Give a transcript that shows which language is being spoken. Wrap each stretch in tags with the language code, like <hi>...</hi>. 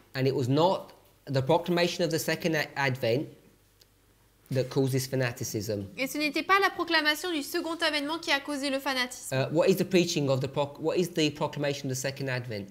<en>And it was not the proclamation of the second advent that causes fanaticism.</en> <fr>Et ce n'était pas la proclamation du second avènement qui a causé le fanatisme.</fr> <en>What is the proclamation of the second advent?</en>